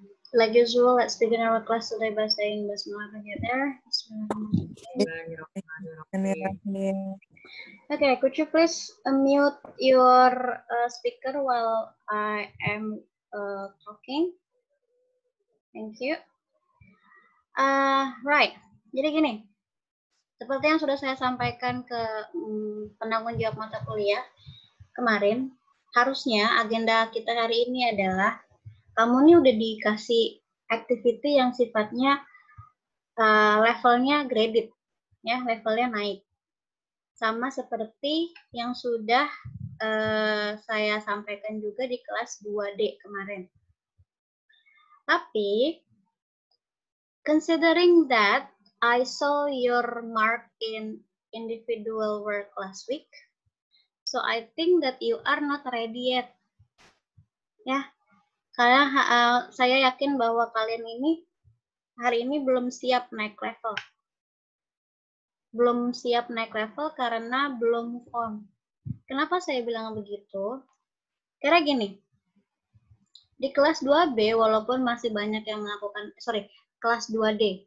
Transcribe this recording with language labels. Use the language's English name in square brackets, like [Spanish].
[English] Like usual, let's begin our class today by saying Bismillahirrahmanirrahim. Okay, could you please unmute your speaker while I am talking? Thank you. [Indonesian] Right, jadi gini, seperti yang sudah saya sampaikan ke penanggung jawab mata kuliah kemarin, harusnya agenda kita hari ini adalah kamu ini udah dikasih activity yang sifatnya levelnya graded, ya, levelnya naik. Sama seperti yang sudah saya sampaikan juga di kelas 2D kemarin. [English] Tapi, considering that I saw your mark in individual work last week, so I think that you are not ready yet. [Indonesian] Ya, karena saya yakin bahwa kalian ini hari ini belum siap naik level. Belum siap naik level karena belum move on. Kenapa saya bilang begitu? Karena gini, di kelas 2B walaupun masih banyak yang melakukan, kelas 2D.